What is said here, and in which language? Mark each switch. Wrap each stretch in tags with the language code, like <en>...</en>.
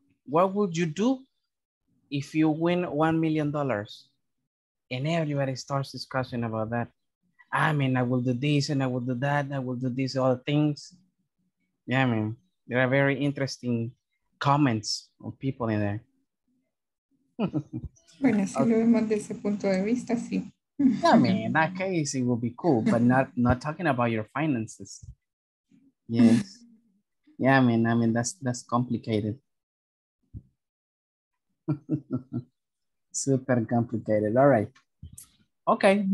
<en>What would you do if you win $1 million? And everybody starts discussing about that. I mean, I will do this and I will do that. I will do these other things. Yeah, I mean, there are very interesting comments of people in there.</en> <es>Bueno, si lo vemos desde ese punto de vista, sí.</es> <en>I mean, in that case, it would be cool, but not talking about your finances. Yes. Yeah, I mean, that's complicated. Super complicated. All right. Okay.</en>